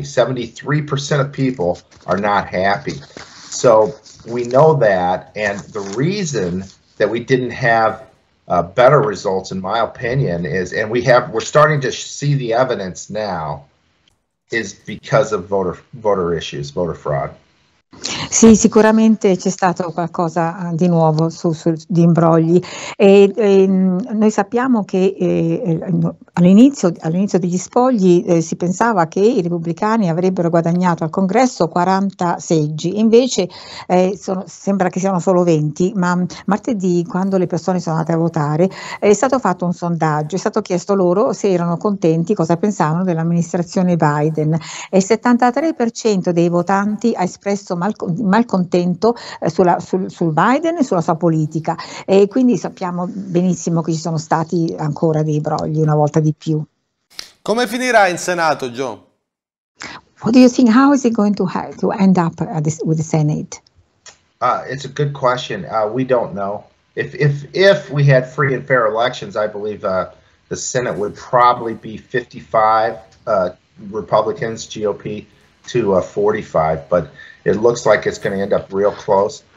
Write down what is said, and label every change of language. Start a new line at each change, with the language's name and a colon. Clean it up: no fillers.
English: 73% of people are not happy. So we know that, and the reason that we didn't have better results, in my opinion, is, and we're starting to see the evidence now is because of voter issues, voter fraud.
Italian: Sì, sicuramente c'è stato qualcosa di nuovo di imbrogli. Noi sappiamo che all'inizio degli spogli si pensava che i repubblicani avrebbero guadagnato al congresso 40 seggi, invece sembra che siano solo 20, ma martedì, quando le persone sono andate a votare, è stato fatto un sondaggio, è stato chiesto loro se erano contenti, cosa pensavano dell'amministrazione Biden, e il 73% dei votanti ha espresso malcontento sul Biden e sulla sua politica, e quindi sappiamo benissimo che ci sono stati ancora dei brogli una volta di più. Come finirà in Senato, Joe?
English: What do you think? How is it going to end up with the Senate? It's a good question. We don't know. If we had free and fair elections, I believe the Senate would probably be 55 Republicans, GOP, to 45, but it looks like it's going to end up real close.